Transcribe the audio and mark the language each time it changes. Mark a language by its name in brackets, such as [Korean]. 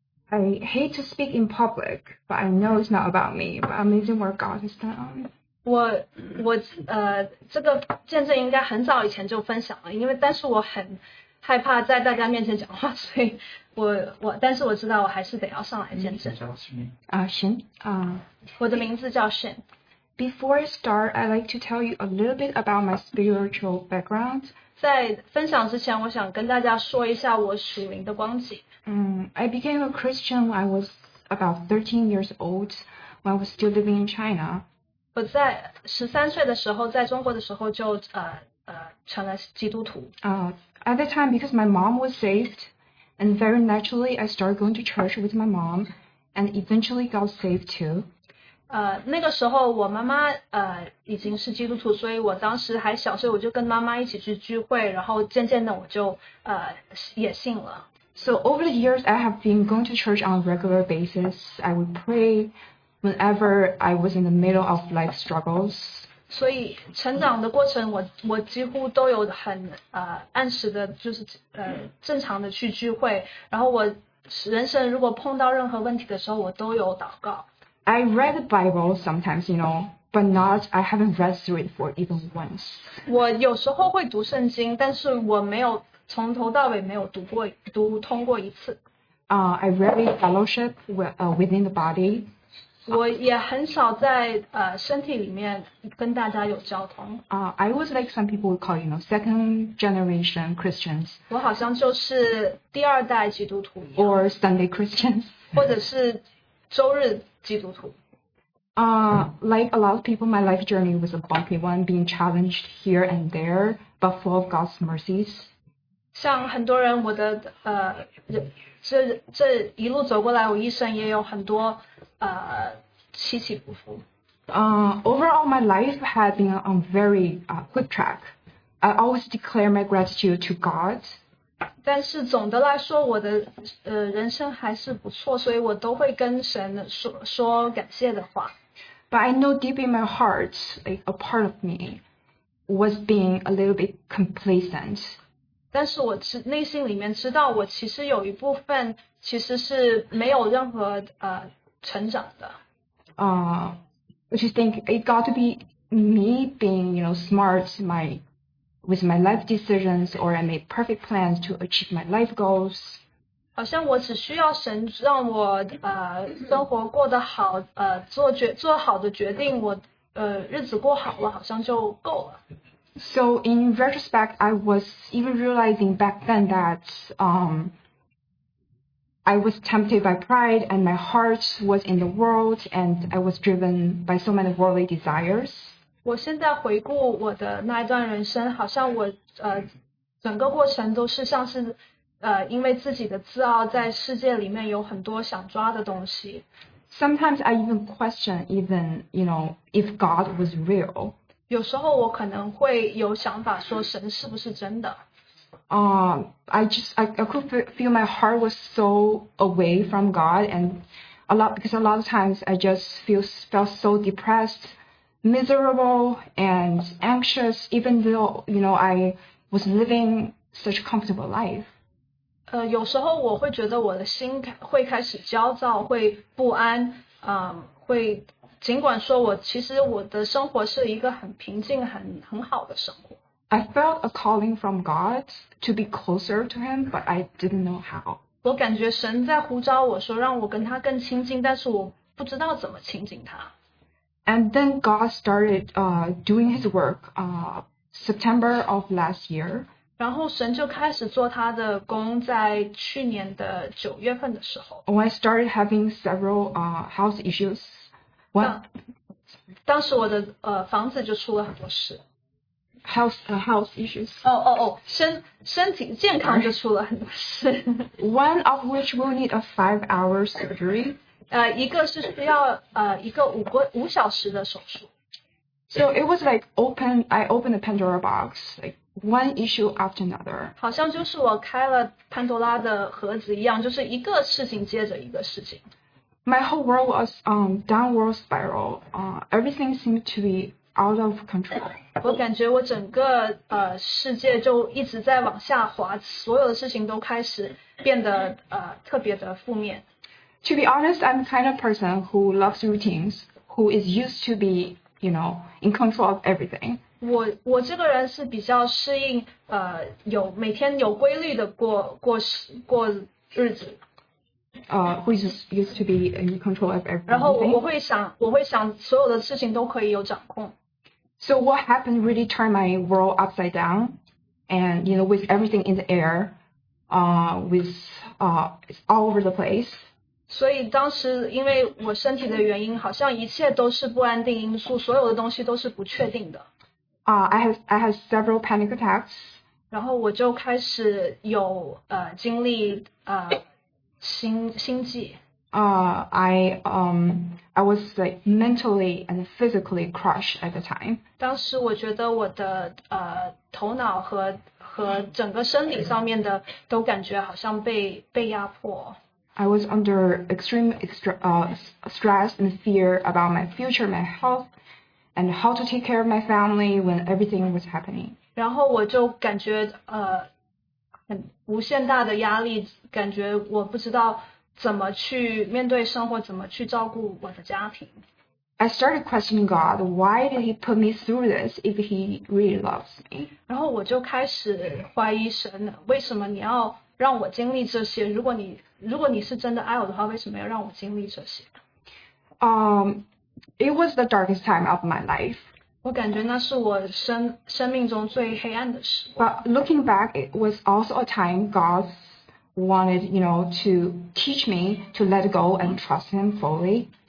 [English] I hate to speak in public, but I know it's not about me, but amazing work God has done on me. [Chinese] 我这个见证应该很早以前就分享了，因为但是我很害怕在大家面前讲话，所以我但是我知道我还是得要上来见证。 [English] Shin. [Chinese] 我的名字叫 Shin。 [English] Before I start, I'd like to tell you a little bit about my spiritual background. [Chinese] 在分享之前，我想跟大家说一下我属灵的光景。 [English] I became a Christian when I was about 13 years old, when I was still living in China. [Chinese] 我在13岁的时候，在中国的时候就成了基督徒。 [English] At the time, because my mom was saved, and very naturally, I started going to church with my mom, and eventually got saved too. [Chinese] 那个时候我妈妈已经是基督徒，所以我当时还小，所以我就跟妈妈一起去聚会，然后渐渐的我就也信了。 [English] So over the years, I have been going to church on a regular basis. I would pray whenever I was in the middle of life struggles. [Chinese] 所以成长的过程，我几乎都有很按时的，就是正常的去聚会。然后我人生如果碰到任何问题的时候，我都有祷告。 [English] I read the Bible sometimes, you know, but I haven't read through it for even once. [Chinese] 我有时候会读圣经，但是我没有从头到尾没有读通过一次。 [English] I rarely fellowship within the body. [Chinese] 我也很少在身体里面跟大家有交通。 [English] I was like some people would call, you know, second generation Christians. [Chinese] 我好像就是第二代基督徒一样。 [English] Or Sunday Christians. [Chinese] 或者是周日基督徒。 [English] Like a lot of people, my life journey was a bumpy one, being challenged here and there, but full of God's mercies. [Chinese] 像很多人，我的这一路走过来，我一生也有很多起起伏伏。 [English] Overall, my life had been on very quick track. I always declare my gratitude to God. [Chinese] 但是总的来说，我的人生还是不错，所以我都会跟神说感谢的话。 [English] But I know deep in my heart, like a part of me was being a little bit complacent. [Chinese] 但是我内心里面知道，我其实有一部分其实是没有任何成长的。 [English] Which is think it got to be me being, you know, smart with my life decisions, or I made perfect plans to achieve my life goals. [Chinese] 好像我只需要神让我生活过得好，做好的决定，我日子过好了，好像就够了。 [English] So in retrospect, I was even realizing back then that I was tempted by pride, and my heart was in the world, and I was driven by so many worldly desires. [Chinese] 我现在回顾我的那一段人生，好像我整个过程都是像是因为自己的自傲，在世界里面有很多想抓的东西。 [English] Sometimes I even question, even you know, if God was real. [Chinese] 有时候我可能会有想法说神是不是真的。 [English] I could feel my heart was so away from God, and because a lot of times I just felt so depressed, miserable, and anxious, even though, you know, I was living such a comfortable life. [Chinese] 有时候我会觉得我的心会开始焦躁，会不安，会尽管说我其实我的生活是一个很平静、很好的生活。 [English] I felt a calling from God to be closer to Him, but I didn't know how. [Chinese] 我感觉神在呼召我说让我跟他更亲近，但是我不知道怎么亲近他。 [English] And then God started doing His work September of last year. [Chinese] 然后神就开始做他的工，在去年的九月份的时候。 [English] When I started having several health issues, when [Chinese] 当时我的房子就出了很多事。 [English] Health issues. Oh, oh, oh. [Chinese] 身体健康就出了很多事。 [English] One of which will need a 5-hour surgery. [Chinese] 一个是需要一个五小时的手术。 [English] So it was like I opened a Pandora box, like one issue after another. [Chinese] 好像就是我开了潘多拉的盒子一样，就是一个事情接着一个事情。 [English] My whole world was downward spiral. Everything seemed to be out of control. [Chinese] 我感觉我整个世界就一直在往下滑，所有的事情都开始变得特别的负面。 [English] To be honest, I'm the kind of person who loves routines, who is used to be, you know, in control of everything. [Chinese] 我这个人是比较适应有每天有规律的过日子。 [English] Who is used to be in control of everything. [Chinese] 然后我会想所有的事情都可以有掌控。 [English] So what happened really turned my world upside down, and you know, with everything in the air, it's all over the place. [Chinese] 所以当时因为我身体的原因，好像一切都是不安定因素，所有的东西都是不确定的。 [English] I have several panic attacks. [Chinese] 然后我就开始有经历心悸。 [English] I was like mentally and physically crushed at the time. [Chinese] 当时我觉得我的头脑和整个生理上面的都感觉好像被压迫。 [English] I was under extreme stress and fear about my future, my health, and how to take care of my family when everything was happening. [Chinese] 然后我就感觉很无限大的压力，感觉我不知道怎么去面对生活，怎么去照顾我的家庭。 [English] I started questioning God, why did He put me through this if He really loves me? [Chinese] 然后我就开始怀疑神，为什么你要让我经历这些？如果你是真的爱我的话，为什么要让我经历这些？ [English] It was the darkest time of my life. [Chinese] 我感觉那是我生命中最黑暗的时光。 [English] But looking back, it was also a time God wanted, you know, to teach me to let go and trust Him fully.